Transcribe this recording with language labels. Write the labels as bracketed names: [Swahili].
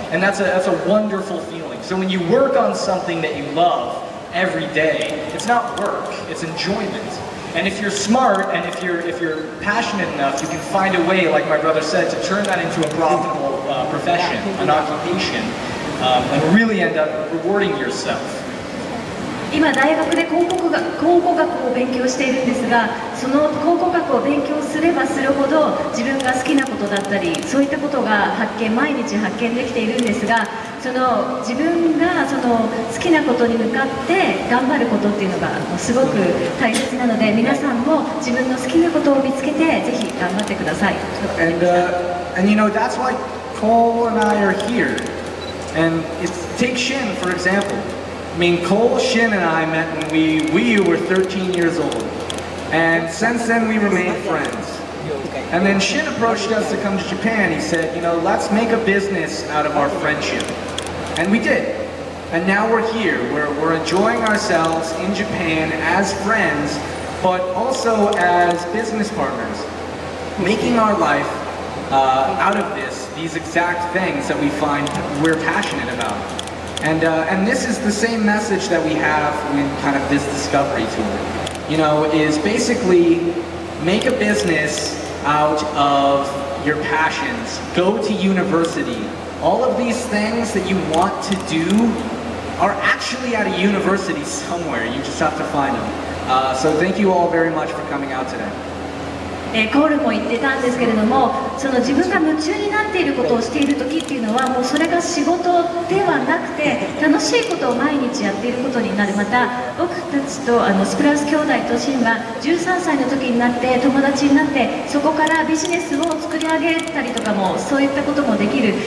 [English] And that's a wonderful feeling. So when you work on something that you love every day, it's not work, it's enjoyment. And if you're smart and if you're passionate enough, you can find a way, like my brother said, to turn that into a profitable profession, an occupation, and really end up rewarding yourself. [Japanese] 今大学で考古学を勉強しているんですがその考古学を勉強すればするほど自分が好きなことだったりそういったことが毎日発見できているんですが自分が好きなことに向かって頑張ることっていうのがすごく大切なので皆さんも自分の好きなことを見つけてぜひ頑張ってください。 [English] And you know that's why Cole and I are here and it's take Shin for example I mean, Cole, Shin, and I met when we were 13 years old. And since then, we remained friends. And then Shin approached us to come to Japan. He said, you know, let's make a business out of our friendship. And we did. And now we're here. We're enjoying ourselves in Japan as friends, but also as business partners, making our life out of this, these exact things that we find we're passionate about. And this is the same message that we have in kind of this discovery tour. You know, is basically make a business out of your passions. Go to university. All of these things that you want to do are actually at a university somewhere. You just have to find them. So thank you all very much for coming out today. [Japanese] コールも言ってたんですけれども、その自分が夢中になっていることをしているときっていうのは、もうそれが仕事ではなくて、楽しいことを毎日やっていることになる。また僕たちとスプラウス兄弟とシンが13歳の時になって友達になって、そこからビジネスを作り上げたりとかも、そういったこともできる。